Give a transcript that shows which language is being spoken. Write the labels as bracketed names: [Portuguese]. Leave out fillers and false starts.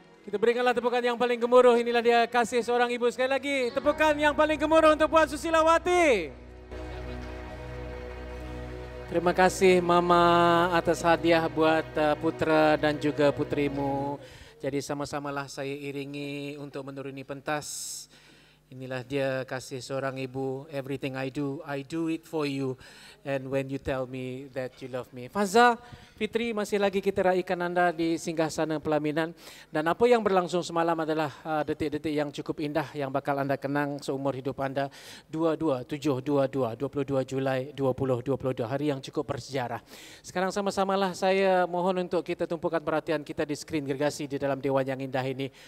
[Malay] Berikanlah tepukan yang paling gemuruh, inilah dia kasih seorang ibu. Sekali lagi, tepukan yang paling gemuruh untuk Puan Susilawati. Terima kasih Mama atas hadiah buat putra dan juga putrimu. Jadi sama-samalah saya iringi untuk menuruni pentas. Inilah dia kasih seorang ibu, [English] everything I do it for you. And when you tell me that you love me. [Malay] Faza, Fitri, masih lagi kita raikan anda di singgah sana pelaminan. Dan apa yang berlangsung semalam adalah detik-detik yang cukup indah yang bakal anda kenang seumur hidup anda. 22-7-22, 22 Julai 2022, hari yang cukup bersejarah. Sekarang sama-samalah saya mohon untuk kita tumpukan perhatian kita di skrin gergasi di dalam Dewan yang indah ini.